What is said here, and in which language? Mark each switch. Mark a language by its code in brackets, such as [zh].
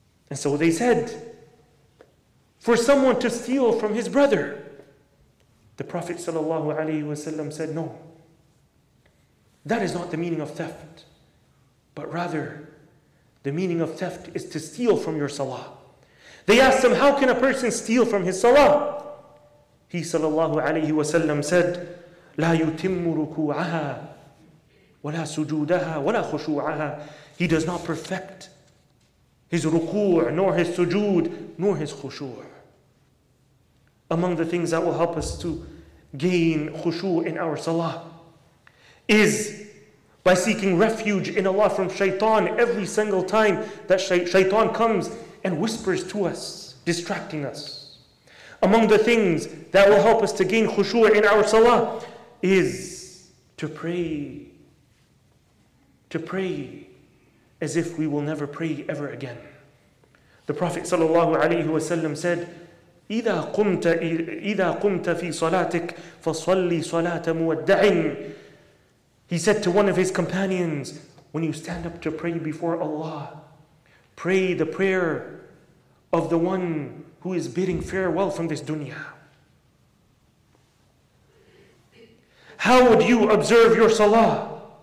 [en] And so they said, for someone to steal from his brother. The Prophet sallallahu alaihi wasallam said, no, that is not the meaning of theft, but rather the meaning of theft is to steal from your salah. They asked him, how can a person steal from his salah? [ar] He sallallahu alaihi wasallam said, لا يتم ركوعها ولا سجودها ولا خشوعها. [en] He does not perfect his ruku', nor his sujood, nor his khushu'. Among the things that will help us to gain khushu' in our salah is by seeking refuge in Allah from shaitan every single time that shaitan comes and whispers to us, distracting us. Among the things that will help us to gain khushu' in our salah is to pray as if we will never pray ever again. [ar] The Prophet sallallahu alaihi wasallam said, إِذَا قُمْتَ فِي صَلَاتِكَ فَصَلِّي صَلَاتَ مُوَدَّعٍ. [en] He said to one of his companions, when you stand up to pray before Allah, pray the prayer of the one who is bidding farewell from this dunya. How would you observe your salah?